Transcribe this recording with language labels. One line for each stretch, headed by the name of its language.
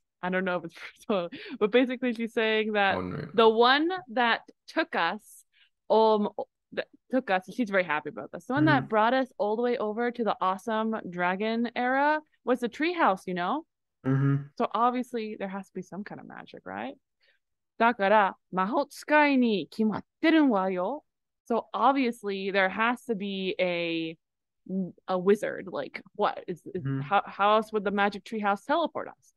English: I don't know if it's personal, but basically she's saying that the one that took us, she's very happy about this. The one that brought us all the way over to the awesome dragon era was the treehouse, you know? Mm-hmm. So obviously there has to be some kind of magic, right?
Japanese: だから魔法使いに決まってるわよ。
English: So obviously there has to be a wizard. Like what? How else would the magic treehouse teleport us?